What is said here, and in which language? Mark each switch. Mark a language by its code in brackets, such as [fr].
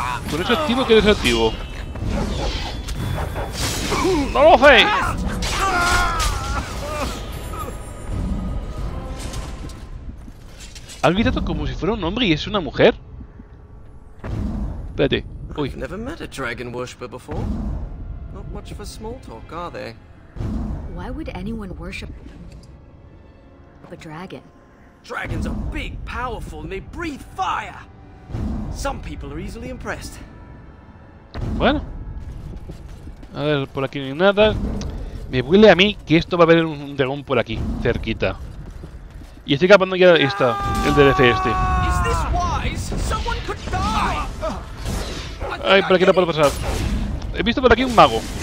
[es] ¿Por eso activo o qué desactivo? ¡No lo sé! ¿Has gritado como si fuera un hombre y es una mujer? Espérate. Uy. [en] I've never met a dragon worshipper before. Not much of a small talk, are they? Why would anyone worship a dragon? Dragons are big, powerful, and they breathe fire. Some people are easily impressed. [es] Bueno. A ver, por aquí no hay nada. Me huele a mí que esto va a haber un dragón por aquí, cerquita. Y estoy capando ya esta, el DLC este. [en] Is this wise? Someone could die. [es] Ay, por aquí no puedo pasar. He visto por aquí un mago.